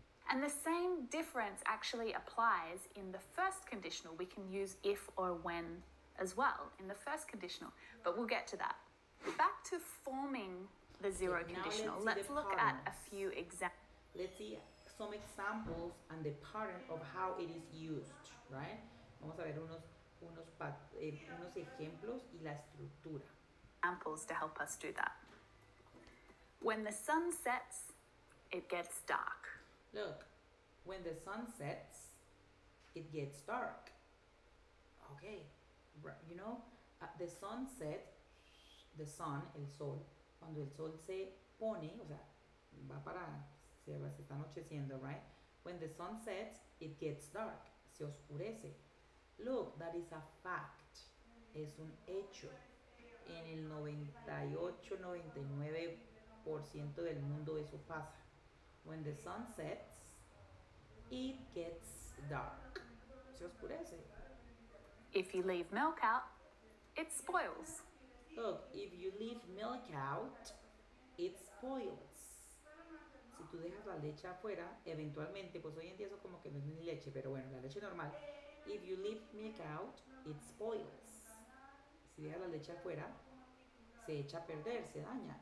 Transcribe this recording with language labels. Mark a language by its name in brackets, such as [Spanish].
[English] And the same difference actually applies in the first conditional. We can use if or when as well in the first conditional, but we'll get to that. Back to forming the zero conditional. Let's look at a few examples. Let's see some examples and the pattern of how it is used, right? [Spanish] Vamos a ver unos ejemplos y la estructura. [English] Examples to help us do that. When the sun sets, it gets dark. Look, when the sun sets, it gets dark. Okay, you know, the sun [Spanish] set, the sun, el sol, cuando el sol se pone, o sea, va para, se está anocheciendo, right? [English] When the sun sets, it gets dark, [Spanish] se oscurece. [English] Look, that is a fact, [Spanish] es un hecho. En el 98-99% del mundo eso pasa. [English] When the sun sets, it gets dark. [Spanish] Se oscurece. [English] If you leave milk out, it spoils. Look, if you leave milk out, it spoils. [Spanish] Si tú dejas la leche afuera, eventualmente, pues hoy en día eso como que no es ni leche, pero bueno, la leche normal. [English] If you leave milk out, it spoils. [Spanish] Si dejas la leche afuera, se echa a perder, se daña.